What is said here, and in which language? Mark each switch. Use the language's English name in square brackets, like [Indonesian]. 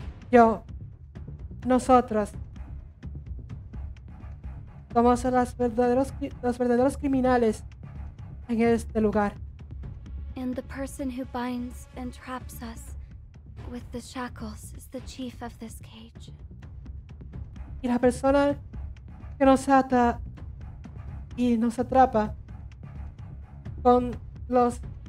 [Spanish] Yo, nosotras somos los verdaderos criminales en este lugar. [English] And the person who binds and traps us with the shackles is the chief of this cage. [Spanish] Y la persona que nos ata y nos atrapa con los